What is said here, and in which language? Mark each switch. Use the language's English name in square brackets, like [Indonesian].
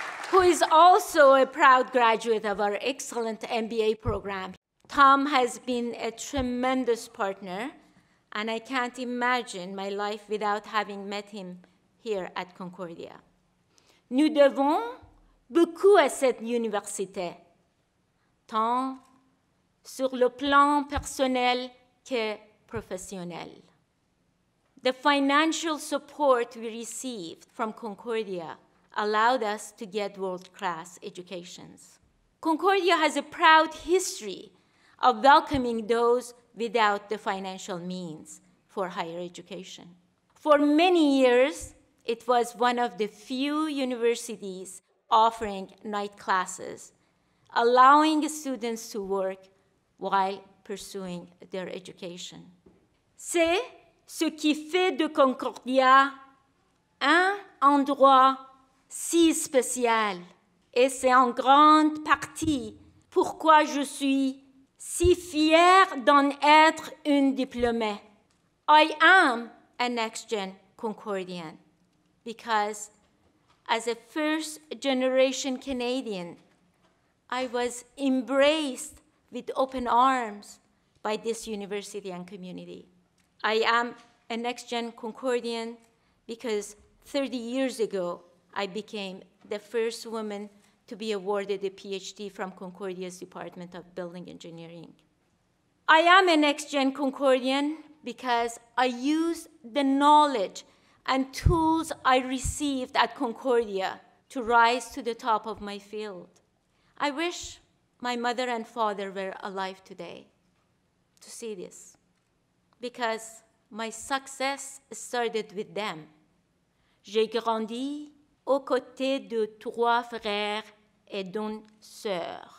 [English] Who is also a proud graduate of our excellent MBA program. Tom has been a tremendous partner, and I can't imagine my life without having met him here at Concordia. [French] Nous devons beaucoup à cette université, tant sur le plan personnel que professionnel. [English] The financial support we received from Concordia allowed us to get world-class educations. Concordia has a proud history of welcoming those without the financial means for higher education. For many years, it was one of the few universities offering night classes, allowing students to work while pursuing their education. [French] C'est ce qui fait de Concordia un endroit si spécial, et c'est en grande partie pourquoi je suis si fière d'en être une diplômée. [English] I am a next-gen Concordian because, as a first-generation Canadian, I was embraced with open arms by this university and community. I am a next-gen Concordian because 30 years ago, I became the first woman to be awarded a PhD from Concordia's Department of Building Engineering. I am a next-gen Concordian because I used the knowledge and tools I received at Concordia to rise to the top of my field. I wish my mother and father were alive today to see this, because my success started with them. [French] J'ai grandi aux côtés de trois frères et d'une sœur.